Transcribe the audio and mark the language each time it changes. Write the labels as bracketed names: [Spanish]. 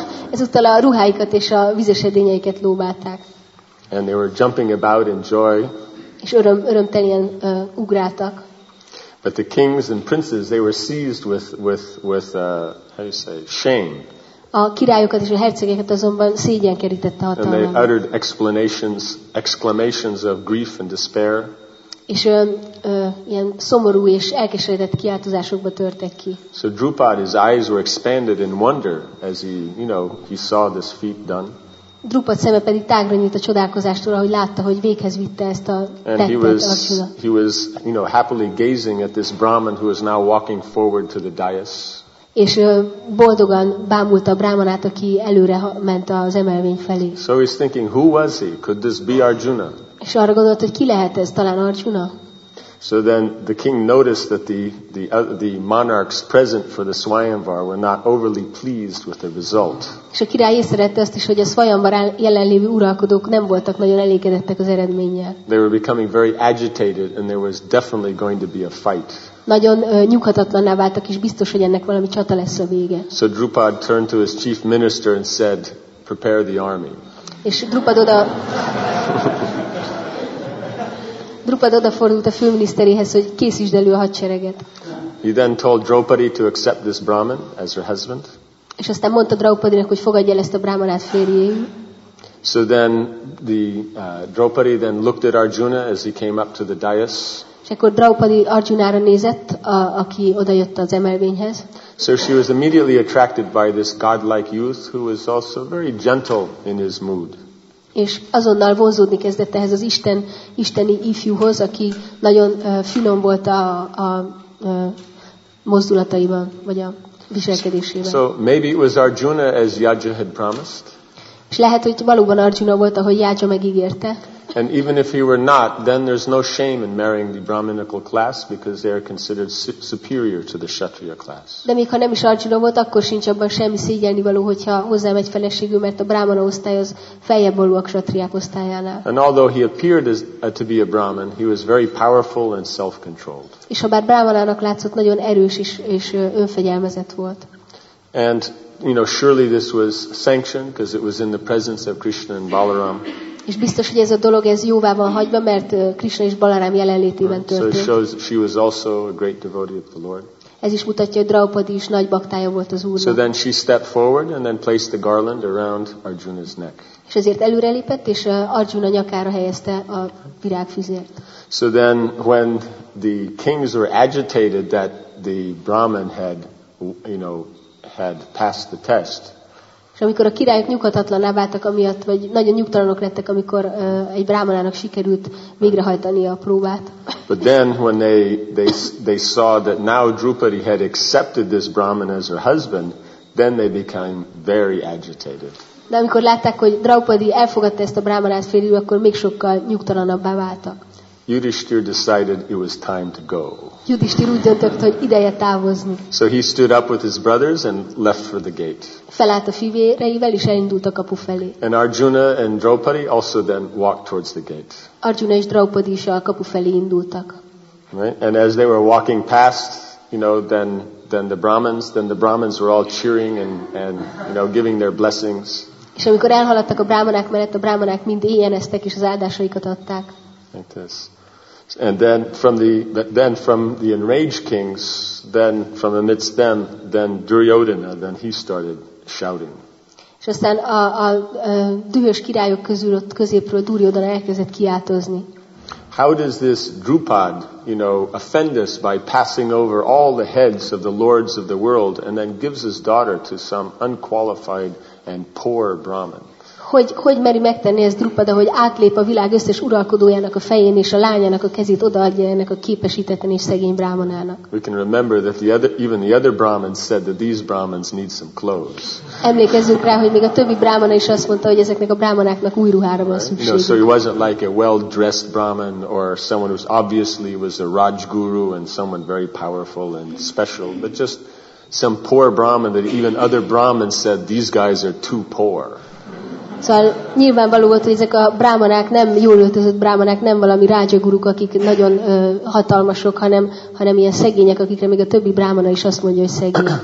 [Hungarian] Ezúttal a ruháikat és a vízesedényeiket lóbálták. [English] And they were jumping about in joy. [Hungarian] És örömtelien ugráltak. [English] But the kings and princes, they were seized with how do you say, shame. [Hungarian] A királyokat és a hercegeket azonban szégyen kerítette hatalma. [English] And they uttered exclamations of grief and despair. [Hungarian] És ilyen szomorú és elkeseredett kiáltozásokba törtek ki. [English] So Drupad, his eyes were expanded in wonder as he, you know, he saw this feat done. [Hungarian] Drupad szeme pedig tágra nyílt a csodálkozástól, ahogy látta, hogy véghez vitte ezt a tettet. [English] And he was, you know, happily gazing at this Brahman who is now walking forward to the dais. [Hungarian] És boldogan bámult a brámanát, aki előre ment az emelvény felé. [English] So he's thinking, who was he? Could this be Arjuna? [Hungarian] És arra gondolt, hogy ki lehet ez, talán Arjuna? [English] So then the king noticed that the monarchs present for the Swayamvar were not overly pleased with the result. [Hungarian] És a király észrevette azt is, hogy a Swayamvar jelenlévő uralkodók nem voltak nagyon elégedettek az eredménnyel. [English] They were becoming very agitated and there was definitely going to be a fight. [Hungarian] Nagyon nyughatatlanná váltak, és biztos, hogy ennek valami csata lesz a vége. [English] So Drupad turned to his chief minister and said, prepare the army. [Hungarian] És Drupad odafordult a főminiszteréhez, hogy készítsd elő a hadsereget. [English] He then told Draupadi to accept this Brahmin as her husband. [Hungarian] És aztán mondta Draupadinak, hogy fogadja el ezt a brahmanát férjéül. [English] So then Draupadi then looked at Arjuna as he came up to the dais. [Hungarian] És akkor Draupadi Arjunára nézett, aki odajött az emelvényhez. [English] So she was immediately attracted by this godlike youth who was also very gentle in his mood. [Hungarian] És azonnal vonzódni kezdett ehhez az isteni ifjúhoz, aki nagyon finom volt a mozdulataiban, vagy a viselkedésében. [English] So maybe it was Arjuna as Yaja had promised. [Hungarian] És lehet, hogy valóban Arjuna volt, ahogy Yaja megígérte. [English] And even if he were not, then there's no shame in marrying the Brahminical class because they are considered superior to the Kshatriya class. [Hungarian] De még ha nem is Arjuna volt, akkor sincs abban semmi szégyenivaló, hogyha hozzá megy feleségül, mert a Brahmana osztály az feljebb való a Kshatriyák osztályánál. [English] And although he appeared as to be a Brahmin, he was very powerful and self-controlled. [Hungarian] És ha bár Brahmanának látszott, nagyon erős és önfegyelmezett volt. [English] And you know, surely this was sanctioned because it was in the presence of Krishna and Balaram. [Hungarian] És biztos, hogy ez a dolog ez jóvá van hagyva, mert Krishna és Balaram jelenlétében történt. [English] So it shows she was also a great devotee of the Lord. [Hungarian] Ez is mutatja, hogy Draupadi is nagy baktája volt az Úrnak. [English] So then she stepped forward and then placed the garland around Arjuna's neck. [Hungarian] És ezért előrelépett és Arjuna nyakára helyezte a virágfüzért. [English] So then when the kings were agitated that the Brahmin had, you know, had passed the test. [Hungarian] És amikor a királyok nyughatatlanná váltak amiatt, vagy nagyon nyugtalanok lettek, amikor egy brámanának sikerült végrehajtani a próbát. [English] But then when they saw that now Drupadi had accepted this Brahmin as her husband, then they became very agitated. [Hungarian] De amikor látták, hogy Draupadi elfogadta ezt a brámanát férjül, akkor még sokkal nyugtalanabbá váltak. [English] Yudhishthir decided it was time to go. [Hungarian] Yudhishthir úgy döntött, hogy ideje távozni. [English] So he stood up with his brothers and left for the gate. [Hungarian] Felállt a fivéreivel és elindult a kapu felé. [English] And Arjuna and Draupadi also then walked towards the gate. [Hungarian] Arjuna és Draupadi is a kapu felé indultak. [English] Right? And as they were walking past, you know, then the Brahmins were all cheering and you know, giving their blessings. [Hungarian] És amikor elhaladtak a brámanák mellett, a brámanák mind éjjeneztek és az áldásaikat adták. [English] Like this. And then from the enraged kings, then from amidst them, then Duryodhana, then he started shouting. [Hungarian] És aztán a dühös királyok közül ott középről Duryodhana elkezdett kiáltozni. [English] How does this Drupad, you know, offend us by passing over all the heads of the lords of the world and then gives his daughter to some unqualified and poor Brahmin? [Hungarian] hogy meri megtenni ezt Drupada, hogy átlép a világ összes uralkodójának a fején, és a lányának a kezét odaadja ennek a képesítetlen és szegény brámanának. [English] We can remember that even the other Brahmins said that these Brahmins need some clothes. [Hungarian] Emlékezzünk rá, hogy még a többi brámana is azt mondta, hogy ezeknek a brámanáknak új ruhára van szükségük. [English] No, so he wasn't like a well-dressed Brahmin or someone who obviously was a Rajguru and someone very powerful and special, but just some poor Brahmin that even other Brahmins said these guys are too poor. [Hungarian] Szóval nyilvánvaló volt, hogy ezek a brámanák nem jól öltözött brámanák, nem valami rágyaguruk, akik nagyon hatalmasok, hanem ilyen szegények, akikre még a többi brámana is azt mondja, hogy szegény.